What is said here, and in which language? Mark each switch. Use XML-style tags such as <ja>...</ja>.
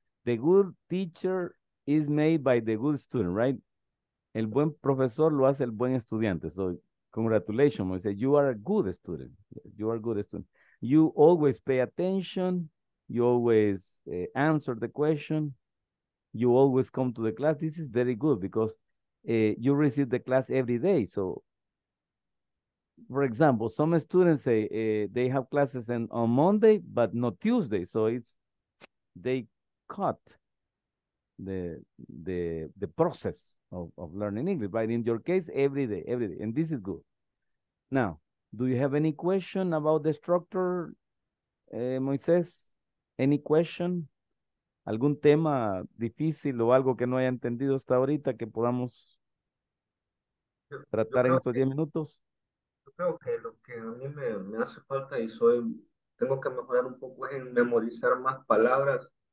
<en>The good teacher is made by the good student, right?</en> <es>El buen profesor lo hace el buen estudiante.</es> <en>So, congratulations, Moises. You are a good student. You are a good student. You always pay attention. You always answer the question. You always come to the class. This is very good because you receive the class every day. So, for example, some students say they have classes on Monday, but not Tuesday. So, they caught the process of learning English, but in your case, every day, and this is good. Now, do you have any question about the structure, Moises? Any question?</en> <es>¿Algún tema difícil o algo que no haya entendido hasta ahorita que podamos tratar en estos 10 minutos? Yo creo que lo que a mí me hace falta y tengo que mejorar un poco es en memorizar más palabras.</es>